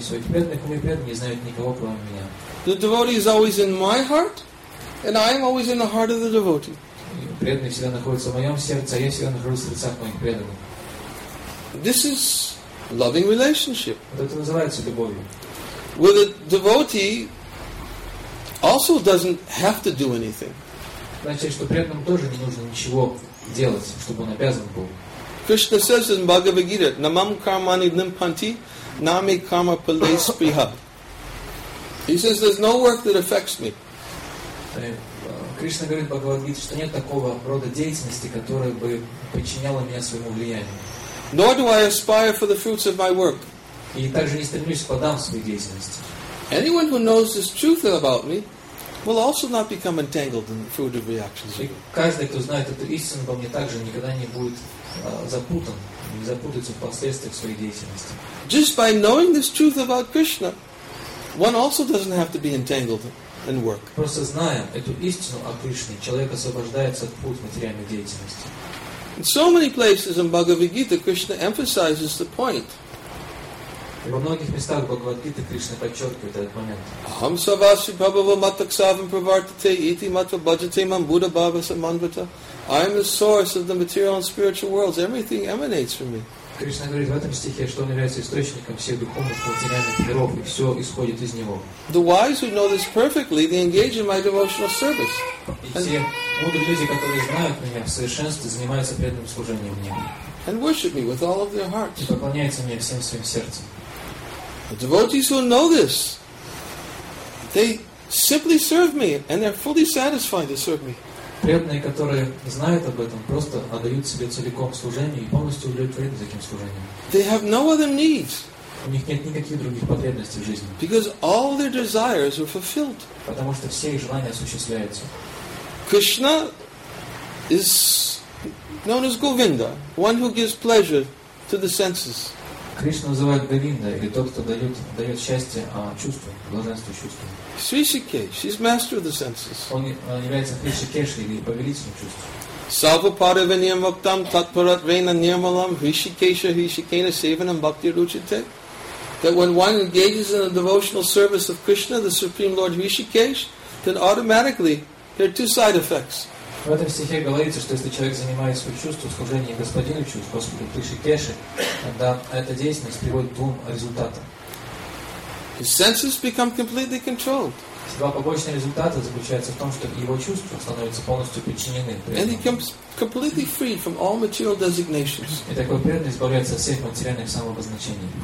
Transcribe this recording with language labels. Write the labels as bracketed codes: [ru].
[en] The devotee is always in my heart, and I am always in the heart of the devotee. This is loving relationship. Where the devotee also doesn't have to do anything. [ru] Значит, что преданному тоже не нужно ничего делать, чтобы он обязан был. [en] Кришна says in Bhagavad Gita, [sa] Namam Karmani Limpanti, Nami Karma Palais Priha. [en] He says, there's no work that affects me. [ru] Кришна говорит Бхагавад-гите, что нет такого рода деятельности, которая бы подчиняла меня своему влиянию. [en] Nor do I aspire for the fruits of my work. [ru] И также не стремлюсь к плодам своей деятельности. [en] Anyone who knows this truth about me will also not become entangled in the fruit of reactions. [ru] И каждый, кто знает эту истину обо мне, также никогда не будет запутан, не запутается в последствиях своей деятельности. [en] Just by knowing this truth about Krishna, one also doesn't have to be entangled in work. [ru] Просто зная эту истину о Кришне, человек освобождается от пут материальной деятельности. [en] In so many places in Bhagavad Gita, Krishna emphasizes the point. [ru] Во многих местах Бхагавад Гиты Кришна подчеркивает этот момент. [sa] Aham savasi prabhava mataksavam pravartate iti matva bhajate mam buddha bhava samanvata. [en] I am the source of the material and spiritual worlds. Everything emanates from me. [ru] Кришна говорит в этом стихе, что он является источником всех духовных материальных миров, и все исходит из него. [en] The wise who know this perfectly, they engage in my devotional service. [ru] Мудрые люди, которые знают меня в совершенстве, занимаются преданным служением мне. [en] And worship me with all of their hearts. [ru] И поклоняются мне всем своим сердцем. [en] The devotees who know this, they simply serve me, and they're fully satisfied to serve me. [ru] Преданные, которые знают об этом, просто отдают себе целиком служению и полностью удовлетворены таким служением. [en] They have no other needs. [ru] У них нет никаких других потребностей в жизни. [en] Because all their desires are fulfilled. [ru] Потому что все их желания осуществляются. [en] Krishna is known as Govinda, one who gives pleasure to the senses. [ru] Кришна называют Говинда, или тот, кто дает счастье чувствам, блаженству чувствам. [en] Шришикеш, he's master of the senses. [ru] Он является Шришикеш, или повелителем чувств. [sa] Салвапаравиньям вактам татпаратвейна нирмалам Шришикеша Шришикена севанам бхактируччите. [en] That when one engages in the devotional service of Krishna, the Supreme Lord Hrishikesh, then automatically there are two side effects. [ru] В этом стихе говорится, что если человек занимается своим чувством, служением Господину чувств, Господу Хришикеше, тогда эта деятельность приводит к двум результатам. [en] His senses become completely controlled. [ru] Два побочных результата заключаются в том, что его чувства становятся полностью подчинены. And he comes completely free from all material designations. И такой преданный избавляется от всех материальных самообозначений.